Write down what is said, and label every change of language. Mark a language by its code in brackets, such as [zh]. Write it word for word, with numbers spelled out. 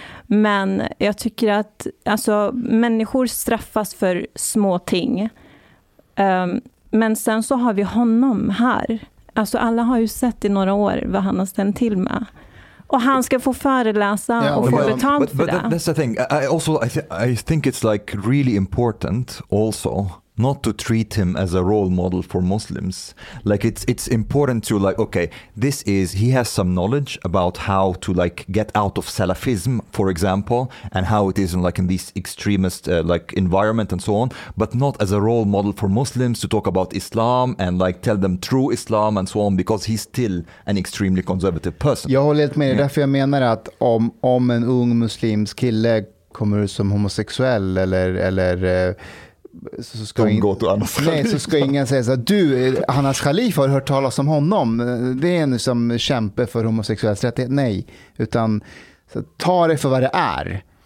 [sv] Men jag tycker att alltså, människor straffas för små ting. Um, men sen så har vi honom här. Alltså alla har ju sett i några år vad han har ställt till med. Och han ska få föreläsa yeah, och få betalt för [en] but, but [sv] det. [en] That's the thing. I also I, th- I think it's like really important also not to treat him as a role model for Muslims. Like it's it's important to like, okay, this is, he has some knowledge about how to like get out of Salafism, for example, and how it is in like in these extremist uh, like environment and so on, but not as a role model for Muslims to talk about Islam and like tell them true Islam and so on, because he's still an extremely conservative person. [sv] Jag håller helt med dig, därför jag menar att om, om en ung muslimsk kille kommer ut som homosexuell eller, eller så ska, in, nej, så ska ingen säga så att du, Hannas Khalif, har hört talas om honom. Det är en som kämpar för homosexuellas rättighet. Nej, utan så, ta det för vad det är.